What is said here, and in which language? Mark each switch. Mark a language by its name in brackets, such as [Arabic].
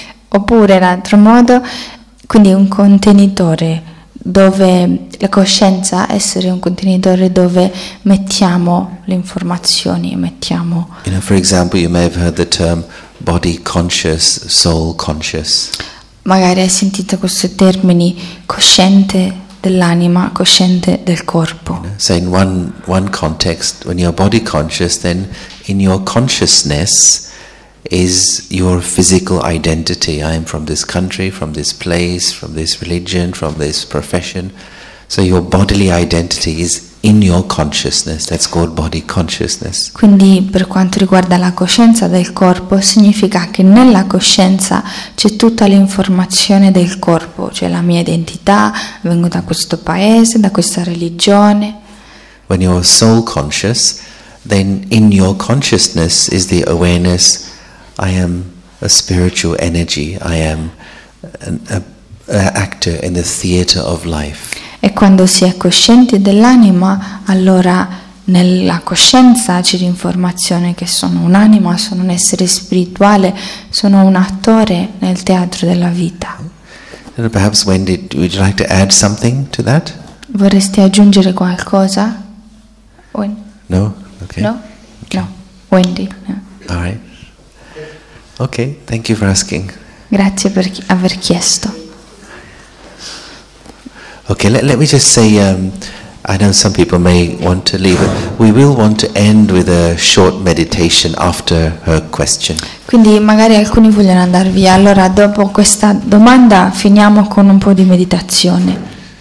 [Italian] Oppure in altro modo, quindi un contenitore dove la coscienza essere un contenitore dove mettiamo le informazioni, mettiamo. [English] You know, for example, you may have heard the term body conscious, soul conscious. [Italian] Magari hai sentito questi termini, cosciente dell'anima, cosciente del corpo. [English] You know, so in one context, when you're body conscious, then in your consciousness is your physical identity. I am from this country, from this place, from this religion, from this profession. So your bodily identity is in your consciousness. That's called body consciousness. [Italian] Quindi per quanto riguarda la coscienza del corpo, significa che nella coscienza c'è tutta l'informazione del corpo, cioè la mia identità, vengo da questo paese, da questa religione. [English] When you're soul conscious, then in your consciousness is the awareness, I am a spiritual energy, I am an actor in the theater of life. [Italian] E quando si è coscienti dell'anima, allora nella coscienza c'è l'informazione che sono un'anima, sono un essere spirituale, sono un attore nel teatro della vita. [English] And perhaps Wendy, would you like to add something to that? [Italian] Vorresti aggiungere qualcosa? Wendy? [English] No? Okay. No? Okay. No. Wendy. Yeah. All right. Okay, thank you for asking. [Italian] Grazie per aver chiesto. [English] Okay, let me just say I know some people may want to leave, but we will want to end with a short meditation after her question. [Italian] Quindi magari alcuni vogliono andare via, allora dopo questa domanda finiamo con un po' di meditazione.